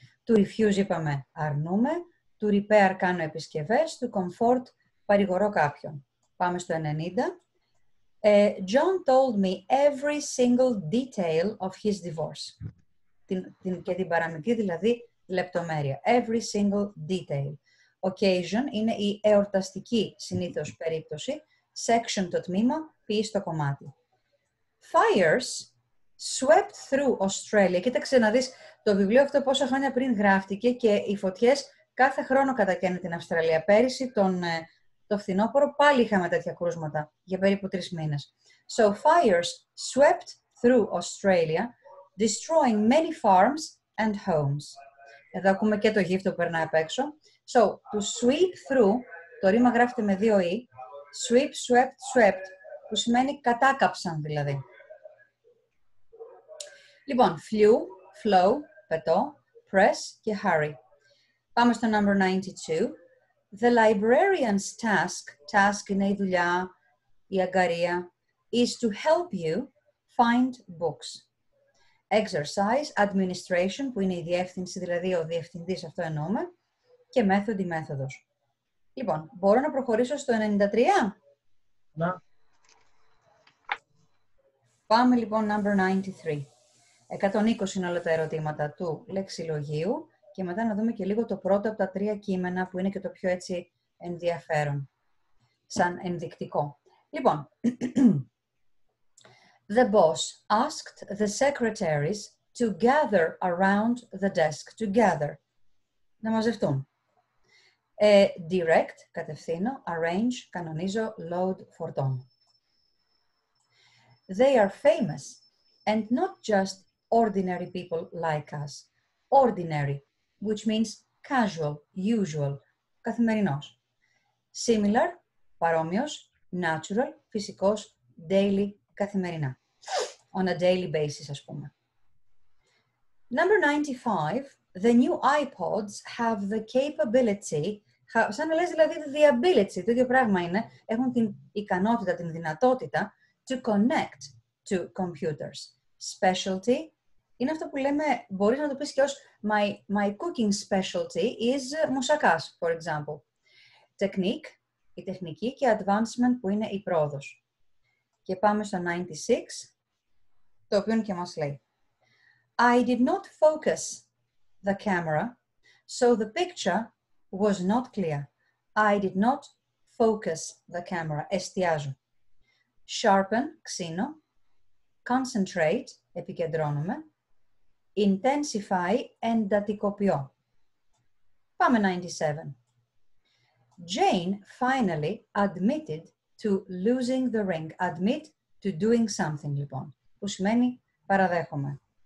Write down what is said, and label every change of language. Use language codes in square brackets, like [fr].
[el] To refuse, είπαμε, αρνούμε. To repair, κάνω επισκευές. To comfort, παρηγορώ κάποιον. Πάμε στο 90. [en] John told me every single detail of his divorce. [el] Και την παραμικρή, δηλαδή, λεπτομέρεια. [en] Every single detail. [el] Occasion είναι η εορταστική συνήθως περίπτωση. Section, το τμήμα, ποιείς το κομμάτι. [en] Fires swept through Australia. [el] Κοίταξε να δεις το βιβλίο αυτό πόσα χρόνια πριν γράφτηκε και οι φωτιές κάθε χρόνο κατακαίνε την Αυστραλία. Πέρυσι το φθινόπωρο πάλι είχαμε τέτοια κρούσματα για περίπου 3 μήνες. [en] So fires swept through Australia, destroying many farms and homes. [el] Εδώ ακούμε και το γύφτο που περνάει απ' έξω. [en] So to sweep through, [el] το ρήμα γράφεται με 2 e, sweep, swept, swept, που σημαίνει κατάκαψαν δηλαδή. Λοιπόν, flew, flow, πετώ, press και hurry. Πάμε στο number 92. [en] The librarian's task [el] είναι η δουλειά, η αγκαρία, [en] is to help you find books. [el] Exercise, administration, που είναι η διεύθυνση, δηλαδή ο διευθυντής, αυτό εννοούμε, και method, η μέθοδος. Λοιπόν, μπορώ να προχωρήσω στο 93? Να. Πάμε λοιπόν, number 93. 120 είναι όλα τα ερωτήματα του λεξιλογίου και μετά να δούμε και λίγο το πρώτο από τα 3 κείμενα που είναι και το πιο έτσι ενδιαφέρον, σαν ενδεικτικό. [en] Λοιπόν, the boss asked the secretaries to gather around the desk, to gather, [el] να μαζευτούν. Direct, κατευθύνω, arrange, κανονίζω, load, φορτώνω. [en] They are famous and not just ordinary people like us. Ordinary, which means casual, usual, καθημερινός. [el] Similar, παρόμοιος, natural, φυσικός, daily, καθημερινά. [en] On a daily basis, ας πούμε. Number 95, the new iPods have the capability, [el] σαν να λες δηλαδή [en] the ability, [el] το ίδιο πράγμα είναι, έχουν την ικανότητα, την δυνατότητα, [en] to connect to computers. [el] Specialty είναι αυτό που λέμε, μπορείς να το πεις και ως [en] my cooking specialty is [el] μουσακάς, [en] for example. [el] Technique, η τεχνική, και advancement που είναι η πρόοδος. Και πάμε στο 96, το οποίο και μας λέει. [en] I did not focus the camera, so the picture was not clear. I did not focus the camera. Εστιάζω. [el] Sharpen, ξύνω. Concentrate, επικεντρώνομαι. Intensify, εντατικοποιώ. Πάμε 97. [en] Jane finally admitted to losing the ring. Admit to doing something, λοιπόν. [el] Που σημαίνει παραδέχομαι.